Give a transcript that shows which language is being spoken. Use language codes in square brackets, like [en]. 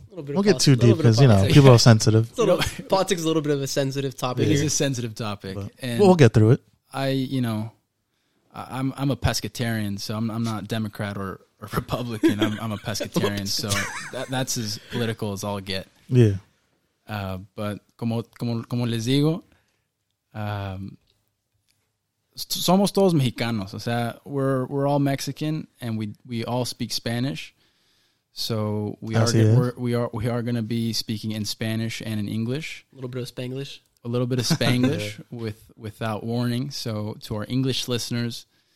[en] We'll get too deep because, you know, people are sensitive. Politics is a little bit of a sensitive topic. It is a sensitive topic. And we'll get through it. I'm a pescatarian, so I'm not Democrat or Republican. I'm a pescatarian. So that's as political as I'll get. Yeah. [es] But como les digo, somos todos mexicanos. O sea, [en] we're all Mexican and we all speak Spanish. So we are going to be speaking in Spanish and in English. A little bit of Spanglish yeah. Without warning. So to our English listeners,